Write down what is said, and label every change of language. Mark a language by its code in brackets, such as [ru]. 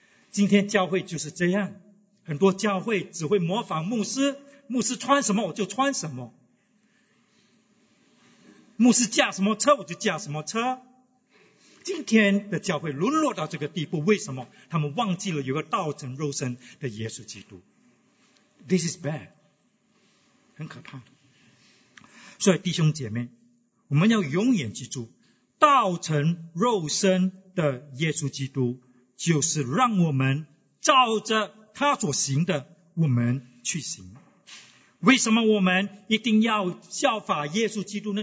[zh] 今天教会就是这样，很多教会只会模仿牧师，牧师穿什么我就穿什么，牧师驾什么车我就驾什么车。今天的教会沦落到这个地步，为什么？他们忘记了有个道成肉身的耶稣基督。 [en] This is bad， [zh] 很可怕的。所以弟兄姐妹，我们要永远记住道成肉身的耶稣基督，就是让我们照着他所行的我们去行。为什么我们一定要效法耶稣基督呢？